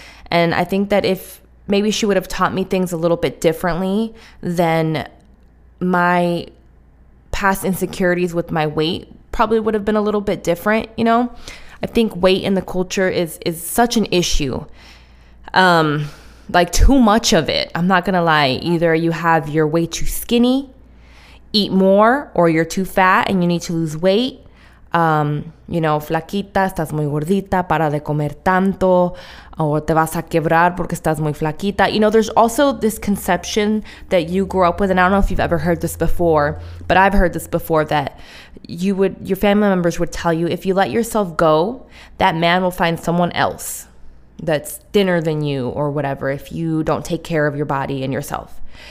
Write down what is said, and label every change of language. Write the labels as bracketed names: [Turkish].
[English] And I think that if maybe she would have taught me things a little bit differently, then my past insecurities with my weight probably would have been a little bit different, you know. I think weight in the culture is such an issue. Like too much of it. I'm not gonna lie. Either you have your way too skinny, eat more, or you're too fat and you need to lose weight. [Spanish] You know, flaquita, estás muy gordita, para de comer tanto, o te vas a quebrar porque estás muy flaquita. [English] You know, there's also this conception that you grew up with, and I don't know if you've ever heard this before, but I've heard this before, that your family members would tell you, if you let yourself go, that man will find someone else that's thinner than you or whatever, if you don't take care of your body and yourself.